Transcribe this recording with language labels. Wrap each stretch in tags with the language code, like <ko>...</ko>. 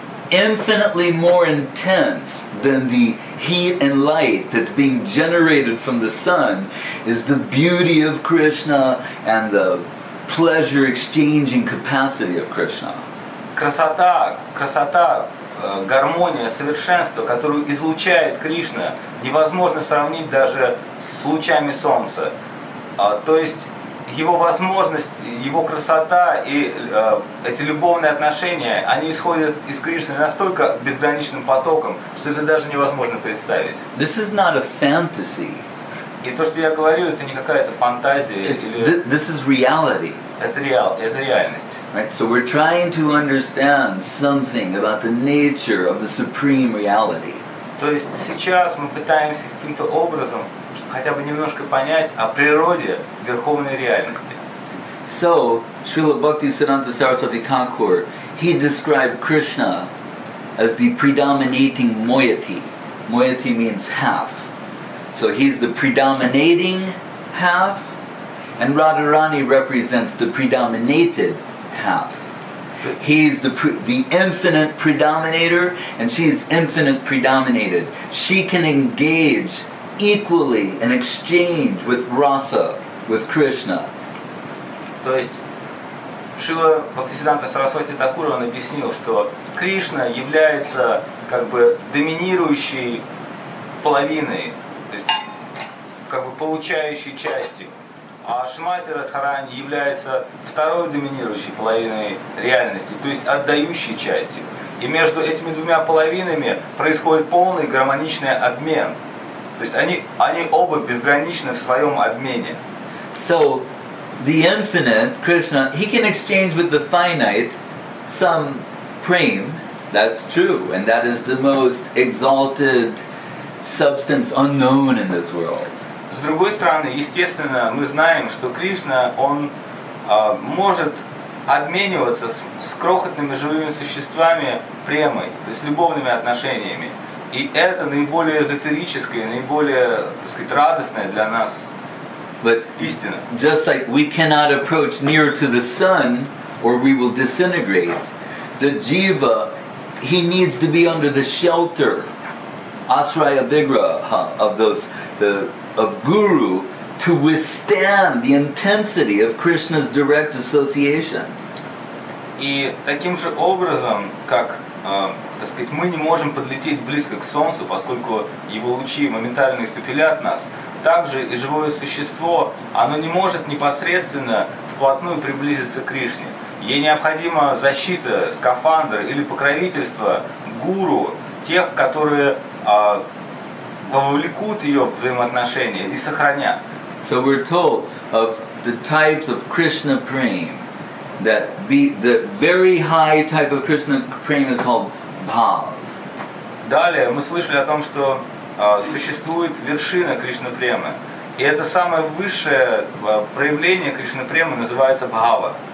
<en>Infinitely more intense than the heat and light that's being generated from the sun is the beauty of Krishna and the pleasure exchanging capacity of Krishna.</en> <ru>Красота, гармония, совершенство, которую излучает Кришна, невозможно сравнить даже с лучами солнца. То есть его возможность, его красота и эти любовные отношения, они исходят из Кришны настолько безграничным потоком, что это даже невозможно представить.</ru> <en>This is not a fantasy.</en> <ru>И то, что я говорю, это не какая-то фантазия.</ru> <en>This is reality.</en> <ru>Это реальность.</ru> <en>Right? So we're trying to understand something about the nature of the supreme reality.</en> <ru>То есть сейчас мы пытаемся каким-то образом хотя бы немножко понять о природе верховной реальности.</ru> <en>So, Srila Bhakti Siddhanta Saraswati Thakur, he described Krishna as the predominating moiety. Moiety means half. So he's the predominating half, and Radharani represents the predominated half. He's the infinite predominator, and she's infinite predominated. She can engage equally in exchange with rasa, with Krishna.</en> <ru>То есть Шрила Бхактисиддханта Сарасвати Такура он объяснил, что Кришна является как бы доминирующей половиной, то есть как бы получающей частью, а Шримати Радхарани является второй доминирующей половиной реальности, то есть отдающей частью. И между этими двумя половинами происходит полный гармоничный обмен. То есть они оба безграничны в своем обмене.</ru> <en>So the infinite Krishna, he can exchange with the finite some prem. That's true, and that is the most exalted substance unknown in this world.</en> <ru>С другой стороны, естественно, мы знаем, что Кришна, он может обмениваться с крохотными живыми существами премой, то есть любовными отношениями. И это наиболее эзотерическое, наиболее, так сказать, радостное для нас истина.</ru> <en>Just like we cannot approach near to the sun, or we will disintegrate, the jiva, he needs to be under the shelter, asraya vigraha, of those, of guru, to withstand the intensity of Krishna's direct association.</en> <ru>И таким же образом, как, так сказать, мы не можем подлететь близко к солнцу, поскольку его лучи моментально испепелят нас, так же и живое существо, оно не может непосредственно вплотную приблизиться к Кришне. Ей необходима защита, скафандр или покровительство гуру, тех, которые вовлекут ее в взаимоотношения и сохранят.</ru> <en>So we're told of the types of Krishna prem, that be the very high type of Krishna prem is called bhav.</en> <ru>Далее мы слышали о том, что существует вершина Кришна премы, и это самое высшее проявление Кришна премы называется бхава.</ru>